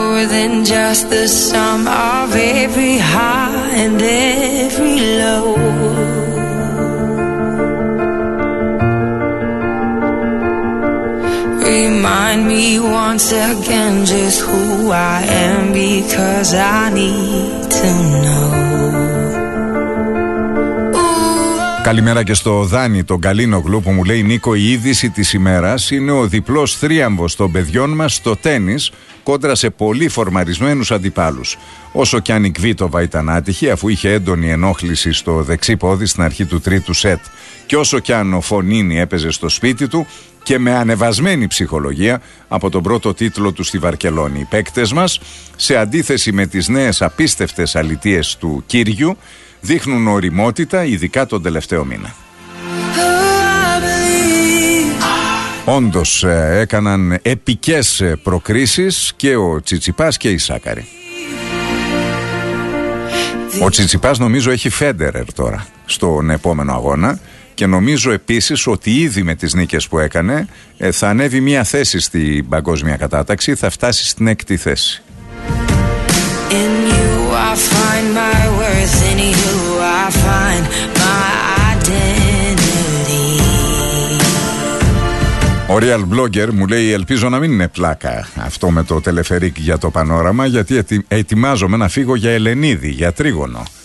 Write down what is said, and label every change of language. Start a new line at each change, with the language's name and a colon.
English: Than just the sum of every high and every low. Remind me once again just who I am, because I need to know.
Greek: Καλημέρα και στο Δάνη, τον Καλίνογλου, που μου λέει: Νίκο, η είδηση της ημέρας είναι ο διπλός θρίαμβος των παιδιών μας στο τένις κόντρα σε πολύ φορμαρισμένους αντιπάλους. Όσο κι αν η Κβίτοβα ήταν άτυχη, αφού είχε έντονη ενόχληση στο δεξί πόδι στην αρχή του τρίτου σετ, και όσο κι αν ο Φωνίνη έπαιζε στο σπίτι του και με ανεβασμένη ψυχολογία από τον πρώτο τίτλο του στη Βαρκελόνη. Οι παίκτες μας, σε αντίθεση με τις νέες απίστευτες αλητίες του Κύριου, δείχνουν ωριμότητα, ειδικά τον τελευταίο μήνα. Όντως έκαναν επικές προκρίσεις και ο Τσιτσιπάς και η Σάκαρη. Ο Τσιτσιπάς νομίζω έχει Φέντερερ τώρα στον επόμενο αγώνα και νομίζω επίσης ότι ήδη με τις νίκες που έκανε θα ανέβει μια θέση στην παγκόσμια κατάταξη, θα φτάσει στην έκτη θέση.
English: I find my worth in you, I find my identity.
Greek: Ο Real Blogger μου λέει: ελπίζω να μην είναι πλάκα αυτό με το τελεφερίκ για το πανόραμα, γιατί ετοιμάζομαι να φύγω για Ελενίδη, για Τρίγωνο.